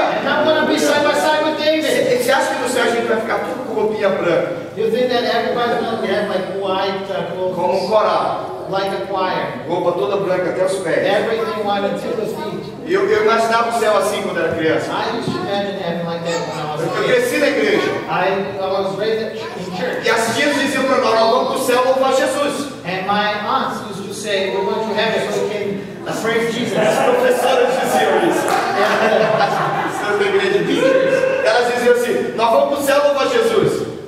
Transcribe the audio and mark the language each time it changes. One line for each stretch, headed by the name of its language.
English: And I'm gonna be side by side with David.
Portuguese: Você acha que no céu a gente vai ficar tudo com roupinha branca?
English: You think that everybody's gonna have like white clothes?
Portuguese: Como um coral.
English: Like a choir.
Portuguese: Roupa toda branca até os pés.
English: Everything white until the feet.
Portuguese: Eu imaginava o céu assim quando era criança.
English: I used to imagine heaven like that when I was a kid.
Portuguese: Eu cresci na igreja.
English: I was raised in church.
Portuguese: E as tias diziam para nós: vamos pro céu, vamos para Jesus.
English: And my aunts used to say, we're going to heaven so we can pray for Jesus.
Portuguese: As professoras diziam isso. As pessoas da igreja diziam isso. Elas diziam assim, nós vamos para o céu louvar Jesus.